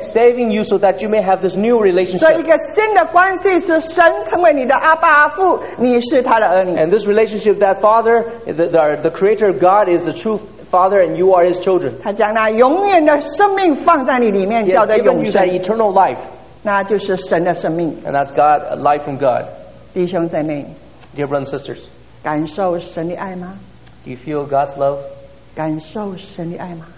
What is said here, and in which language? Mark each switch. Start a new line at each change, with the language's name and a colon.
English: Saving you so that you may have this new relationship.
Chinese: 这一个新的关系是神成为你的阿爸阿父，你是他的儿女。
English: And this relationship that Father, the Creator of God, is the truth. Father and you are his children.
Chinese: 他将那永远的生命放在你里面，叫做永生。
English: He has given you that eternal life.
Chinese: 那就是神的生命。
English: And that's God, life from God.
Chinese: 弟兄姊妹
English: ，Dear brothers and sisters,
Chinese: 感受神的爱吗
English: ？Do you feel God's love?
Chinese: 感受神的爱吗